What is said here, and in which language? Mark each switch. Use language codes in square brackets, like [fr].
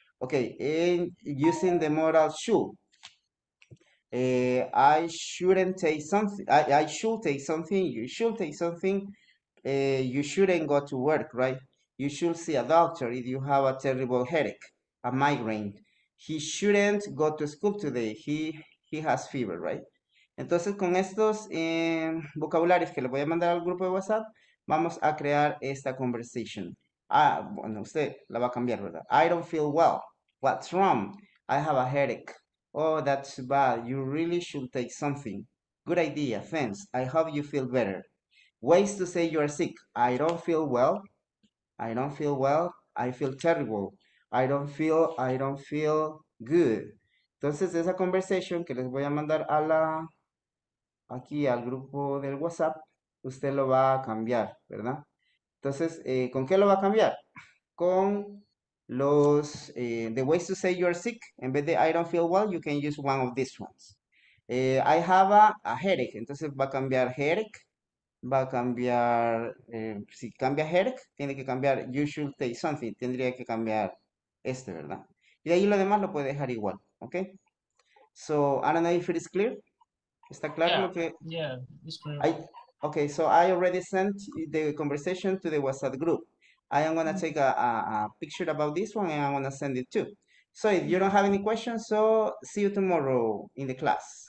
[en] Okay, and using the moral should. I shouldn't take something, I should take something, you should take something, you shouldn't go to work, right? You should see a doctor if you have a terrible headache, a migraine. He shouldn't go to school today. He has fever, right? [es] Entonces, con estos vocabularios que le voy a mandar al grupo de WhatsApp, vamos a crear esta conversation. Ah, bueno, usted la va a cambiar, ¿verdad? [en] I don't feel well. What's wrong? I have a headache. Oh, that's bad. You really should take something. Good idea. Thanks. I hope you feel better. Ways to say you are sick. I don't feel well. I don't feel well. I feel terrible. I don't feel good. [es] Entonces, esa conversation que les voy a mandar a la aquí al grupo del WhatsApp, usted lo va a cambiar, ¿verdad? Entonces, ¿con qué lo va a cambiar? Con los [en] the ways to say you are sick. [es] En vez de [en] I don't feel well, you can use one of these ones. I have a headache. [es] Entonces, va a cambiar headache. Va a cambiar, si cambia headache, tiene que cambiar [en] you should take something. [es] Tendría que cambiar este, ¿verdad? Y de ahí lo demás lo puede dejar igual, ¿ok? [en] So, I don't know if it is clear. [es] ¿Está claro [en] yeah. [es] lo que...? [en] Yeah, it's clear. Okay, so I already sent the conversation to the WhatsApp group. I am going to take a picture about this one and I'm going to send it too. So, if you don't have any questions, so see you tomorrow in the class.